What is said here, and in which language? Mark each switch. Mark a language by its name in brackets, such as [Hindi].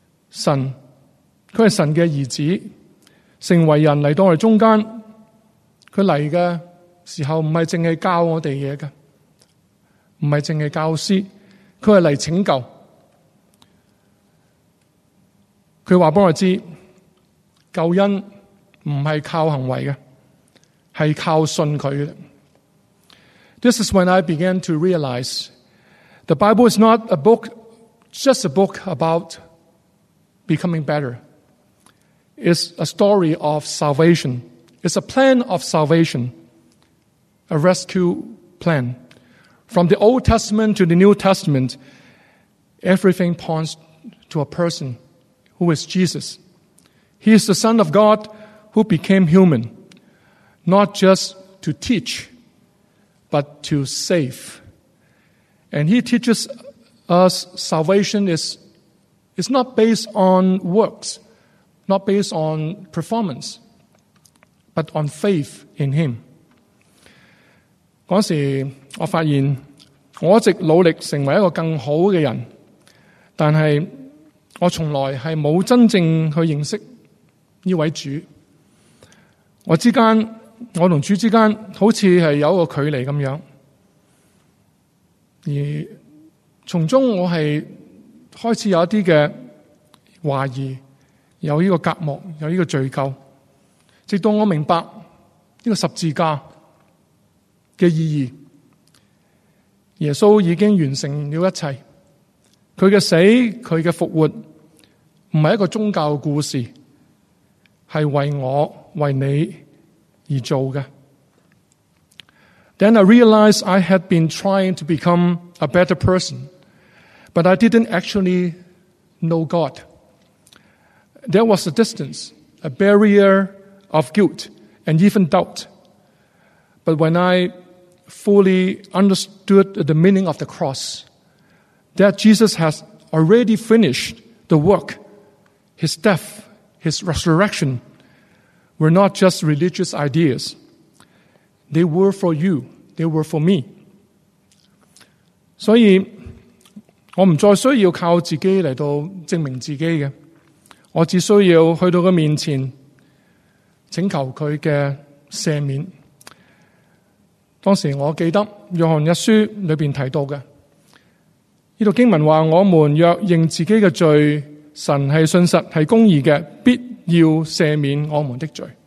[Chinese] 神他是神的儿子，成为人来到我们中间，他来的时候不是只是教我们东西的，不是只是教师，他是来拯救。他告诉我们，救恩不是靠行为的，是靠信他的。 [English] This is when I began to realize the Bible is not a book, just a book about becoming better. It's a story of salvation. It's a plan of salvation, a rescue plan. From the Old Testament to the New Testament, everything points to a person who is Jesus. He is the Son of God who became human.Not just to teach, but to save. And he teaches us salvation is not based on works, not based on performance, but on faith in him. [Chinese] 那时我发现我一直努力成为一个更好的人，但是我从来是没有真正去认识这位主。我之间，我和主之间好像是有一个距离这样。而从中我是开始有一些的怀疑，有这个隔膜，有这个罪疚。直到我明白这个十字架的意义，耶稣已经完成了一切，他的死，他的复活不是一个宗教故事，是为我为你而做的。 [English] Then I realized I had been trying to become a better person, but I didn't actually know God. There was a distance, a barrier of guilt and even doubt. But when I fully understood the meaning of the cross, that Jesus has already finished the work, his death, his resurrection, were not just religious ideas. They were for you. They were for me. [Chinese] 所以我不再需要靠自己来到证明自己的，我只需要去到他面前请求他的赦免。当时我记得约翰一书里面提到的，这段经文说，我们若认自己的罪，神是信实是公义的，必要赦免我们的罪。